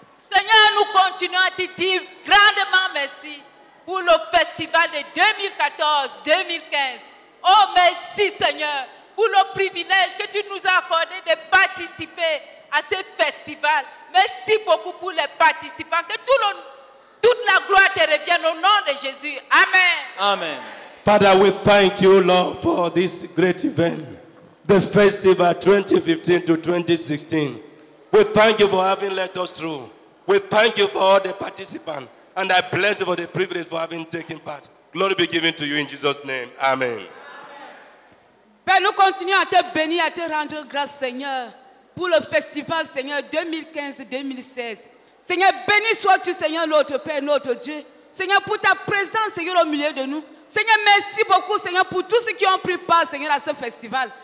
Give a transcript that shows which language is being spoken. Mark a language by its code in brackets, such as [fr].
[fr] Seigneur, nous continuons à te dire grandement merci pour le festival de 2014-2015. Oh, merci Seigneur pour le privilège que tu nous as accordé de participer à ce festival. Merci beaucoup pour les participants. Que toute la gloire te revienne au nom de Jésus. Amen. Amen. [en] Father, we thank you, Lord, for this great event. The festival 2015 to 2016. We thank you for having led us through. We thank you for all the participants. And I bless you for the privilege for having taken part. Glory be given to you in Jesus' name. Amen. Amen. [fr] Nous continuons à te bénir, à te rendre grâce, Seigneur, pour le festival, Seigneur, 2015-2016. Seigneur, béni sois-tu, Seigneur, notre Père, notre Dieu. Seigneur, pour ta présence, Seigneur, au milieu de nous. Seigneur, merci beaucoup, Seigneur, pour tous ceux qui ont pris part, Seigneur, à ce festival.